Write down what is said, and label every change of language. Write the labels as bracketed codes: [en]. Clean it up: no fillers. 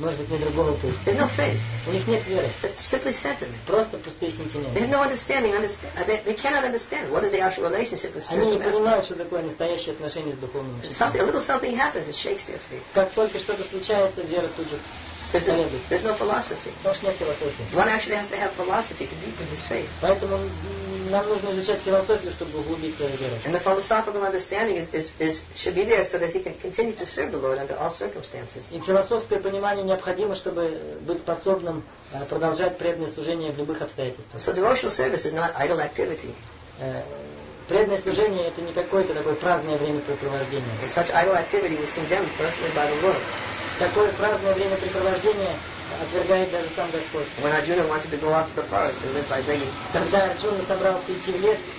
[ru] Может быть, на другого пути. [en] They have no faith. [ru] У них нет веры. [en] It's simply sentiment. [ru] Просто пустые сентименты. [en] They have no understanding. They cannot understand what is the actual relationship with spiritual master. [ru] Они не понимают, что такое настоящее отношение с духовным учителем. [en] Something, a little something happens, it shakes their faith. [ru] Как только что-то случается, вера тут же колеблется. [en] There's no philosophy. [ru] Потому что нет философии. [en] One actually has to have philosophy to deepen his faith. [ru] Поэтому нам нужно изучать философию, чтобы углубиться в веру. [en] And the philosophical understanding is should be there so that he can continue to serve the Lord under all circumstances. [ru] И философское понимание необходимо, чтобы быть способным продолжать преданное служение в любых обстоятельствах. [en] So devotional service is not idle activity. [ru] Преданное служение — это не какое-то такое праздное времяпрепровождение. [en] And such idle activity was condemned personally by the Lord. [ru] Такое праздное времяпрепровождение отвергает даже сам Господь. [en] When Arjuna wanted to go out to the forest and live by begging. [ru] Когда Арджуна собрался идти в лес,